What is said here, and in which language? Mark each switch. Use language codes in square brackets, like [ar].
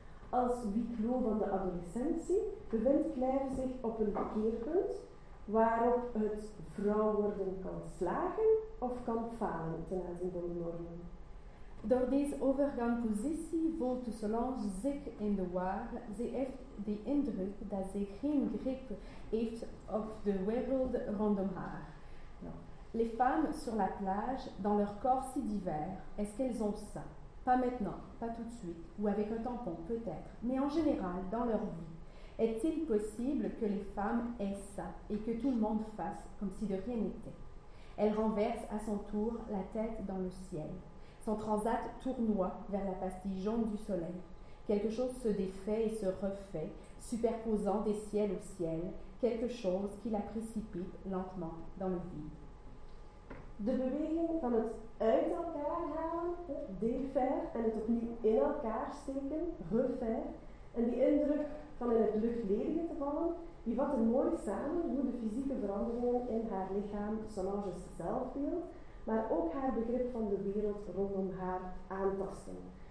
[nl] Als wiklo van de adolescentie bevindt Claire zich op een keerpunt waarop het vrouw worden kan slagen of kan falen ten aanzien van de normen. Door deze overgangpositie voelt Solange zich in de war. Ze heeft de indruk dat ze geen grip heeft op de wereld rondom haar. [fr] Les femmes sur la plage, dans leur corps si divers, est-ce qu'elles ont ça? Pas maintenant, pas tout de suite, ou avec un tampon peut-être, mais en général, dans leur vie. Est-il possible que les femmes aient ça et que tout le monde fasse comme si de rien n'était? Elle renverse à son tour la tête dans le ciel. Son transat tournoie vers la pastille jaune du soleil. Quelque chose se défait et se refait, superposant des ciels au ciel, quelque chose qui la précipite lentement dans le vide. [nl] De beweging van het uit elkaar halen, het défaire, en het opnieuw in elkaar steken, refaire, en die indruk van in het luchtledige te vallen, die vatten mooi samen hoe de fysieke veranderingen in haar lichaam Solange's zelfbeeld, maar ook haar begrip van de wereld rondom haar aantasten.